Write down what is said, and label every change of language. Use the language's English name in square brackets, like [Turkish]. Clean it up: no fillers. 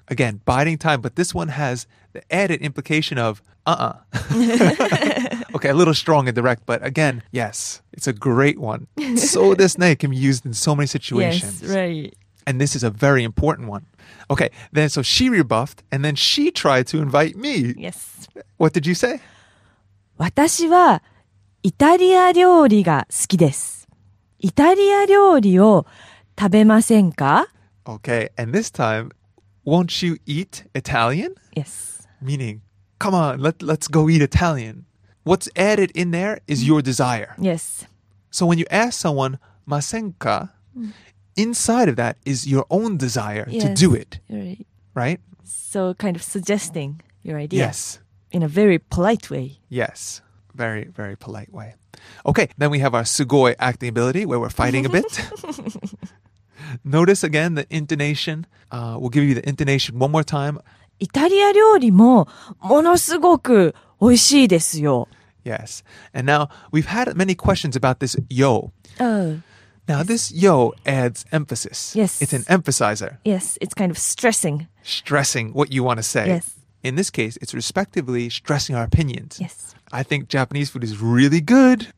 [English] Again, biding time, but this one has the added implication of uh-uh. Okay, a little strong and direct, but again, yes, it's a great one. So this name can be used in so many situations. Yes, right. And this is a very important one. Okay, then so she rebuffed, and then she tried to invite me. Yes. What did you say? [Japanese] 私はイタリア料理が好きです。イタリア料理を食べませんか? [English] Okay, and this time, won't you eat Italian? Yes. Meaning, come on, let's go eat Italian. What's added in there is your desire. Yes. So when you ask someone, ませんか?Inside of that is your own desire yes, to do it. Right? So kind of suggesting your idea. Yes. In a very polite way. Yes. Very, very polite way. Okay. Then we have our sugoi acting ability where we're fighting a bit. Notice again the intonation. We'll give you the intonation one more time. [Japanese] イタリア料理もものすごく美味しいですよ。 [English] Yes. And now we've had many questions about this yo. Now this yo adds emphasis. Yes. It's an emphasizer. Yes. It's kind of stressing. Stressing what you want to say. Yes. In this case, it's respectively stressing our opinions. Yes. I think Japanese food is really good.